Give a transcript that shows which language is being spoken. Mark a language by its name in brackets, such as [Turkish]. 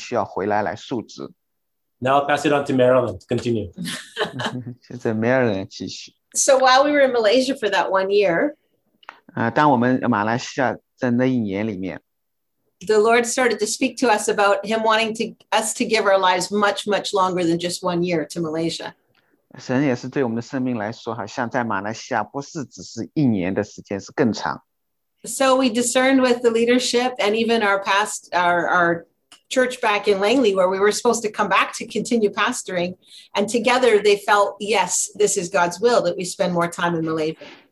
[Chinese] 但是当时那个教会只给我们1年的时间，让我们在马来西亚，然后1年服侍完，是我们需要回来来述职。 [English] Now I'll pass it on to Marilyn to continue. [Chinese] 现在Marilyn继续。 [English] So while we were in Malaysia for that 1 year, [Chinese] 当我们马来西亚在那一年里面, [English] the Lord started to speak to us about Him wanting us to give our lives much, much longer than just 1 year to Malaysia. [Chinese] 神也是对我们的生命来说，好像在马来西亚不是只是1年的时间，是更长。 [English] So we discerned with the leadership and even our past, our church back in Langley, where we were supposed to come back to continue pastoring, and together they felt, yes, this is God's will, that we spend more time in Malaysia.